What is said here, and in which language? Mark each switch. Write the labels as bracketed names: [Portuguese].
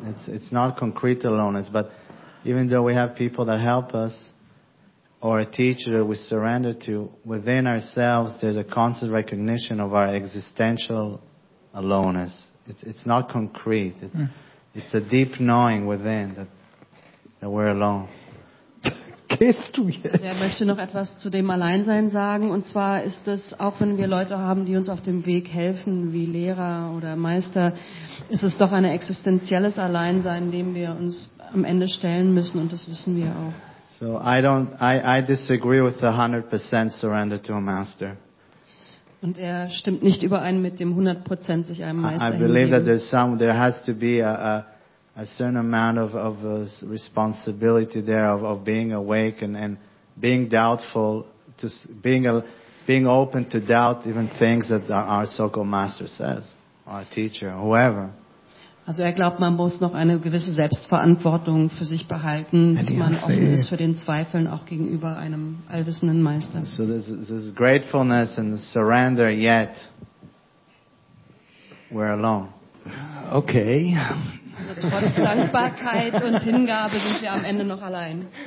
[English] It's not concrete aloneness, but even though we have people that help us or a teacher that we surrender to, within ourselves there's a constant recognition of our existential aloneness. It's not concrete. It's a deep knowing within that we're alone. [German] Er möchte noch etwas zu dem Alleinsein sagen, und zwar ist es, auch wenn wir Leute haben, die uns auf dem Weg helfen, wie Lehrer oder Meister, ist es doch ein existenzielles Alleinsein, dem wir uns am Ende stellen müssen, und das wissen wir auch. [English] So I disagree with the 100% surrender to a master. [German] Und er stimmt nicht überein mit dem 100% sich einem Meister hingeben. [English] I believe that there has to be a certain amount of responsibility there of being awake and being doubtful, just being open to doubt even things that our so-called master says, our teacher, whoever. [German] Also er glaubt, man muss noch eine gewisse Selbstverantwortung für sich behalten, dass man offen ist für den Zweifeln auch gegenüber einem allwissenden Meister. [English] So this gratefulness and surrender, yet we're alone. Okay. [German] Also trotz Dankbarkeit und Hingabe sind wir am Ende noch allein.